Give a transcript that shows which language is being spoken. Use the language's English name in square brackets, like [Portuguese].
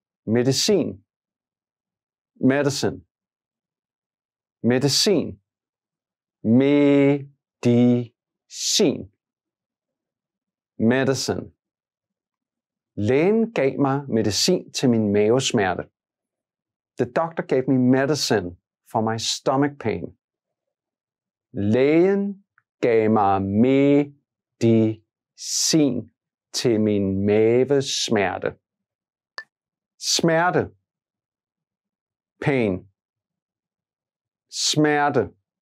[Danish] Medicin. Medicine. Medicin. Medicin. Medicine. Lægen gav mig medicin til min mavesmerte. [English] The doctor gave me medicine for my stomach pain. [Danish] Lægen gav mig medicin til min mavesmerte. Smerte. Pain. Smerte.